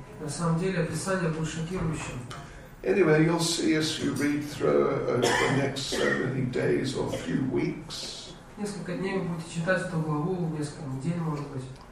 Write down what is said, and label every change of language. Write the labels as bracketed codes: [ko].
[ru] На самом деле описание было шокирующим. [en] Anyway, you'll see as you read through over the next so many days or few weeks. [ru] Несколько дней вы будете читать эту главу, несколько недель, может быть.